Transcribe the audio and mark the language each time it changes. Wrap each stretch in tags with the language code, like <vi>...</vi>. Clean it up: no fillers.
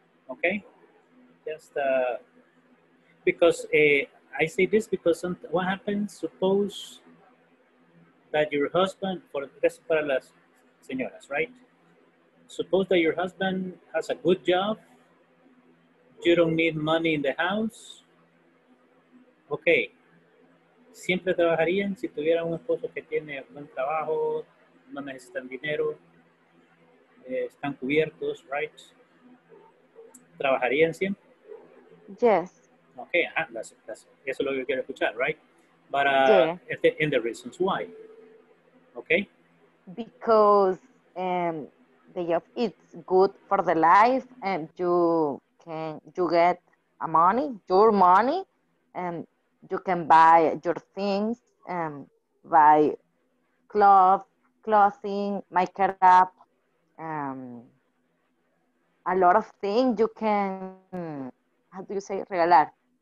<en>Okay, just because I say this because what happens? Suppose that your husband, for this</en> <es>para las señoras,</es> <en>right? Suppose that your husband has a good job. You don't need money in the house.</en> <es>Okay, siempre trabajarían si tuvieran un esposo que tiene buen trabajo, no necesitan dinero. Están cubiertos, right? ¿Trabajarían siempre?</es> <en>Yes.</en> <es>Okay, ajá, eso es lo que quiero escuchar, right?</es> <en>But, yeah. And the reasons why, okay? Because the job is good for the life and you get a money, your money, and you can buy your things and buy clothing, makeup, a lot of things you can, how do you say, regalar?</en>